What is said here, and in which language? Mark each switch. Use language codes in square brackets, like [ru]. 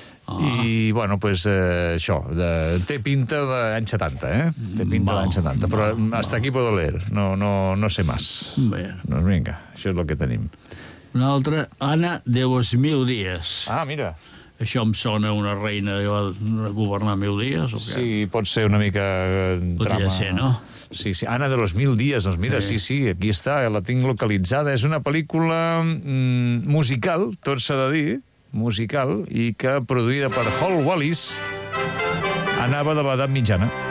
[ca] I, bueno, pues, això, té pinta d'any 70, Té pinta d'any 70, però [es] hasta aquí puedo leer. No sé más. [ca] Bé. Doncs vinga, això és el que tenim. Una altra, Ana de los mil días. Ah, mira. Això em sona una reina que va governar mil dies, o què? Sí, pot ser una mica trama. Podria ser, no? Sí. Ana de los mil días, doncs mira, sí, aquí està, la tinc localitzada. És una pel·lícula musical, tot s'ha de dir, musical, i que, produïda per Hal Wallis, anava de l'edat mitjana.